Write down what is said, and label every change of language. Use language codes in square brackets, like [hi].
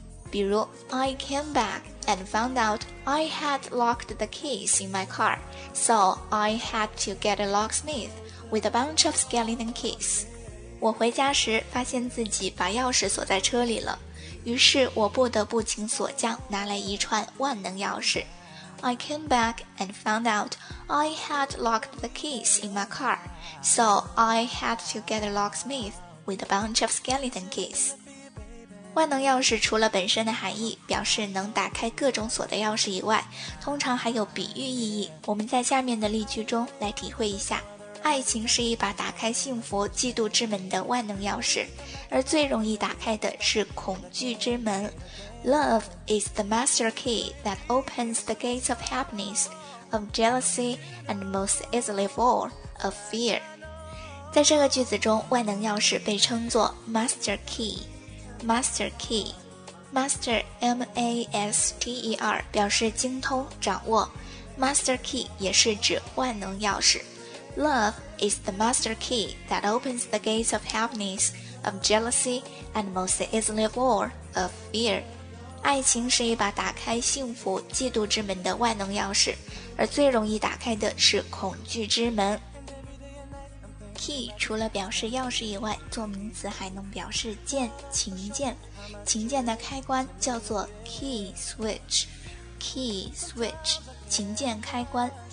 [zh] 比如 [en] I came back and found out I had locked the keys in my car, so I had to get a locksmith with a bunch of skeleton keys. [zh] 我回家时发现自己把钥匙锁在车里了，于是我不得不请锁匠拿来一串万能钥匙。 [en] I came back and found out I had locked the keys in my car, so I had to get a locksmith with a bunch of skeleton keys. [zh] 万能钥匙除了本身的含义，表示能打开各种锁的钥匙以外，通常还有比喻意义。我们在下面的例句中来体会一下。爱情是一把打开幸福、嫉妒之门的万能钥匙，而最容易打开的是恐惧之门。 [en] Love is the master key that opens the gates of happiness, of jealousy, and most easily of all, of fear. [zh] 在这个句子中，万能钥匙被称作 master key. Master key. Master, M-A-S-T-E-R, 表示精通、掌握。 Master key 也是指万能钥匙。 [en] Love is the master key that opens the gates of happiness, of jealousy, and most easily of all, of fear. [zh] 爱情是一把打开幸福、嫉妒之门的万能钥匙，而最容易打开的是恐惧之门。 Key 除了表示钥匙以外，做名词还能表示键、琴键。琴键的开关叫做 key switch, key switch, 琴键开关。